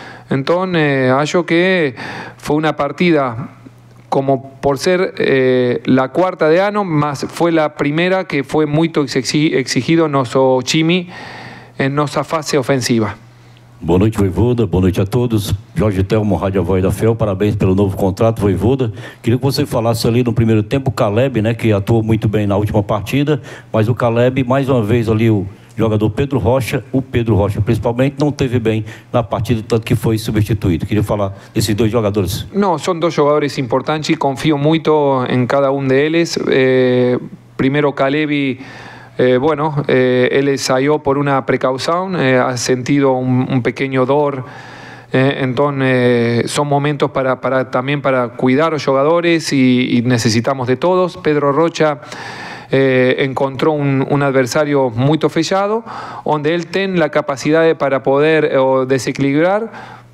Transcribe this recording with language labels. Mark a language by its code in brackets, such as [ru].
[es] Entonces creo que fue una partida como por ser la cuarta de año, más fue la primera que fue muy exigido nuestro chimi en nuestra fase ofensiva. [pt] Boa noite, Voivoda. Boa noite a todos. Jorge Telmo, Rádio Voz da Fiel. Parabéns pelo novo contrato, Voivoda. Queria que você falasse ali no primeiro tempo, o Caleb, né, que atuou muito bem na última partida, mas o Caleb, mais uma vez ali, o jogador Pedro Rocha, o Pedro Rocha principalmente, não teve bem na partida, tanto que foi substituído. Queria falar desses dois jogadores. Não, são dois jogadores importantes, confio muito em cada um deles. Primeiro, Caleb. [es] Bueno, él salió por una precaución, ha sentido un pequeño dolor, entonces son momentos para cuidar a los jugadores y necesitamos de todos. Pedro Rocha encontró un adversario muy fechado, donde él tiene la capacidad para poder desequilibrar.